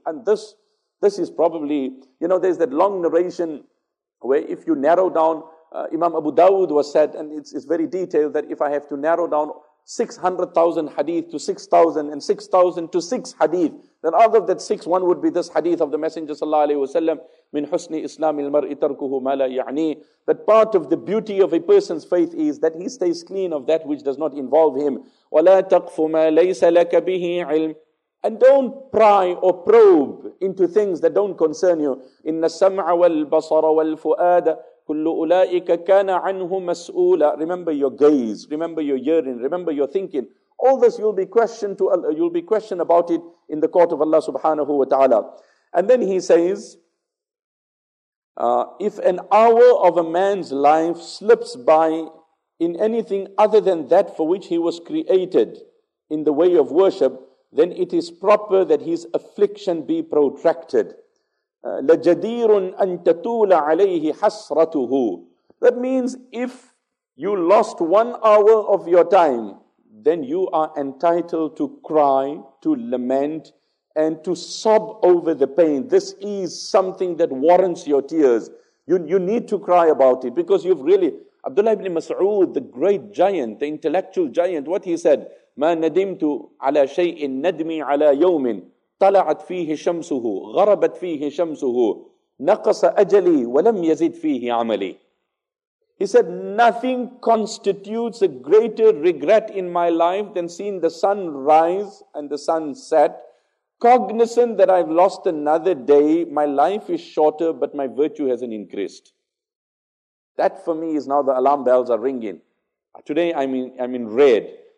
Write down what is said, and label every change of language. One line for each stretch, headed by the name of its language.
English: And this is probably, you know, there's that long narration where if you narrow down, Imam Abu Dawud was said, and it's very detailed, that if I have to narrow down 600,000 hadith to 6,000 and 6,000 to 6 hadith, then out of that 6, one would be this hadith of the Messenger sallallahu alayhi wa sallam,
Arabic: مِنْ حُسْنِ إِسْلَامِ الْمَرْءِ تَرْكُهُ مَا لَا يَعْنِي.
English: That part of the beauty of a person's faith is that he stays clean of that which does not involve him.
Arabic: وَلَا تَقْفُ مَا لَيْسَ لَكَ بِهِ عِلْمٍ.
English: And don't pry or probe into things that don't concern you.
Arabic: إِنَّ السَّمْعَ وَالْبَصَرَ وَالْفُؤَادَ كُلُّ أُولَٰئِكَ كَانَ عَنْهُ مَسْؤُولًا.
English: Remember your gaze, remember your hearing, remember your thinking. All this you'll be questioned to, you'll be questioned about it in the court of Allah subhanahu wa ta'ala. And then he says, if an hour of a man's life slips by in anything other than that for which he was created in the way of worship, then it is proper that his affliction be protracted.
Arabic: لَجَدِيرٌ أَن تَتُولَ عَلَيْهِ حَسْرَتُهُ.
English: That means if you lost 1 hour of your time, then you are entitled to cry, to lament, and to sob over the pain. This is something that warrants your tears. You need to cry about it because you've really... Abdullah ibn Mas'ud, the great giant, the intellectual giant, what he said,
Arabic: مَا نَدِمْتُ عَلَى شَيْءٍ نَدْمِي عَلَى يَوْمٍ طَلَعَتْ فِيهِ شَمْسُهُ غَرَبَتْ فِيهِ شَمْسُهُ نَقَصَ أَجَلِي وَلَمْ يَزِدْ فِيهِ عَمَلِي.
English: He said, nothing constitutes a greater regret in my life than seeing the sun rise and the sun set, cognizant that I've lost another day, my life is shorter, but my virtue hasn't increased. That for me is now the alarm bells are ringing. Today I'm in red.